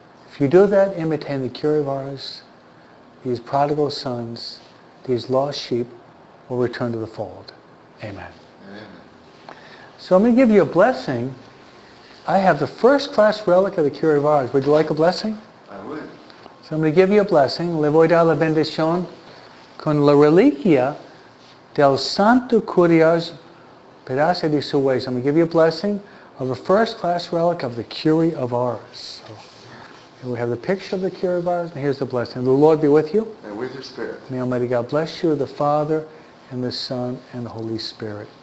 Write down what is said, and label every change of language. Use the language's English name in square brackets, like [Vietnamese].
[English] If you do that, imitate the Curivars, these prodigal sons, these lost sheep will return to the fold. Amen. So I'm going to give you a blessing. I have the first class relic of the Curivars. Would you like a blessing? I would. So I'm going to give you a blessing. [Spanish] Le voy dar la bendición con la reliquia del Santo Curiar pedazo de su hueso. [English] I'm going to give you a blessing of the first class relic of the Curivars. So here we have the picture of the Curivars, and here's the blessing. The Lord be with you. And with your spirit. May Almighty God bless you, the Father, and the Son, and the Holy Spirit.